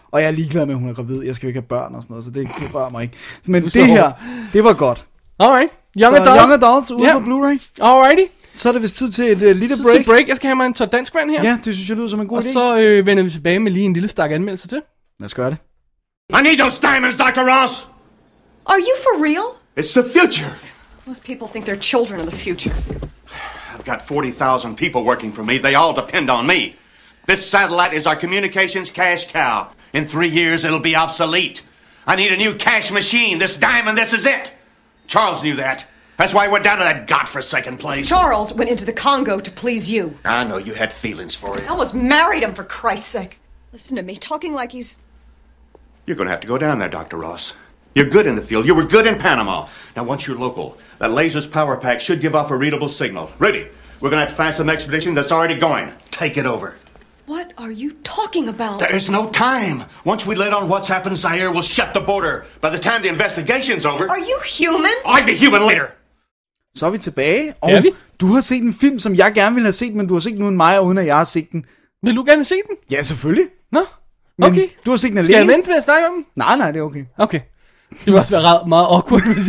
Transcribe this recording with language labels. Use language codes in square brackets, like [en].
[da] Og jeg er ligeglad med, at hun er gravid. Jeg skal jo ikke have børn og sådan noget, så det rører mig ikke. Men det her, det var godt. [en] Alright. Young Adult. [da] Young Adults ude på Blu-ray. [en] Alrighty. [da] Så er det vist tid til et lille break. Til break. Jeg skal have mig en tår dansk vand her. Ja, det synes jeg lyder som en god idé. Og så vender vi tilbage med lige en lille stak anmeldelse til. Lad os gøre det. [en] I need those diamonds, Dr. Ross. Are you for real? It's the future. Most people think they're children of the future. I've got 40,000 people working for me. They all depend on me. This satellite is our communications cash cow. In 3 years, it'll be obsolete. I need a new cash machine. This diamond, this is it. Charles knew that. That's why we're down to that godforsaken place. Charles went into the Congo to please you. I know you had feelings for him. I almost married him, for Christ's sake. Listen to me, talking like he's... You're gonna have to go down there, Dr. Ross. You're good in the field. You were good in Panama. Now, once you're local, that laser's power pack should give off a readable signal. Ready. We're gonna have to find some expedition that's already going. Take it over. What are you talking about? There is no time. Once we let on what's happened, Zaire will shut the border. By the time the investigation's over... Are you human? I'd be human later. [da] Så er vi tilbage, og du har set en film, som jeg gerne ville have set, men du har set den uden mig, uden at jeg har set den. Vil du gerne se den? Ja, selvfølgelig. Nå, okay. Men du har set den alene. Skal jeg vente med at snakke om den? Nej, nej, det er okay. Okay. Det var også være meget awkward,